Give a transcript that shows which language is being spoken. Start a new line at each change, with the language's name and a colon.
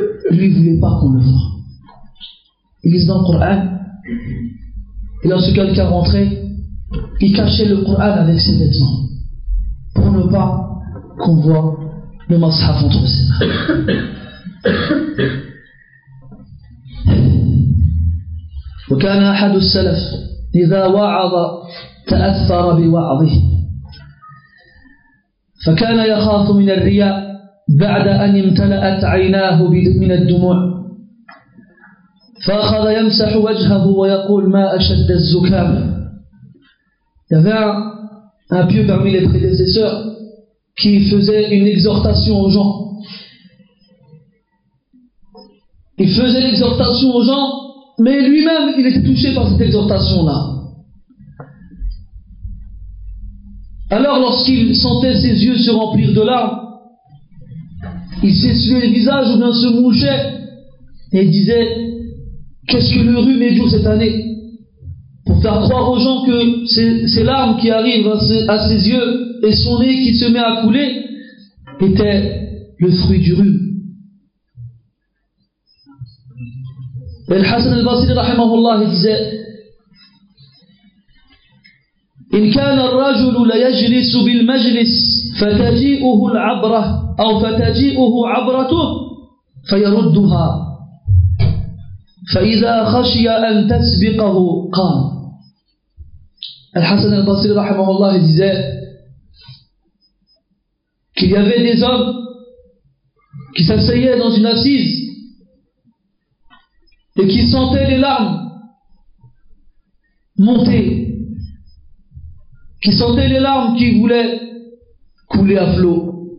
French: lui ne voulait pas qu'on le voie. Il lisait dans le Coran, et lorsque quelqu'un rentrait, il cachait le Coran avec ses vêtements pour ne pas qu'on voie le mushaf entre ses mains.
Arabic: وكان أحد السلف إذا وعظ تأثر بوعظه فكان يخاف من الرياء بعد أن امتلأت عيناه من الدموع فأخذ يمسح وجهه ويقول ما أشد الزكام.
French: Un pieux parmi les prédécesseurs qui faisait une exhortation aux gens. Il faisait l'exhortation aux gens, mais lui-même, il était touché par cette exhortation-là. Alors, lorsqu'il sentait ses yeux se remplir de larmes, il s'essuyait le visage ou bien se mouchait et disait: qu'est-ce que le rhume est dur cette année? Pour faire croire aux gens que ces larmes qui arrivent à ses yeux et son nez qui se met à couler étaient le fruit du rhume.
Arabic: الحسن البصري رحمه الله disait: إن كان الرجل ليجلس بالمجلس فتجيئه العبرة أو فتجيئه عبرته فيردها فإذا خشي أن تسبقه قام.
French: الحسن البصري رحمه الله disait qu'il y avait des hommes qui s'asseyaient dans une assise et qui sentaient les larmes monter, qui sentaient les larmes qui voulaient couler à flot.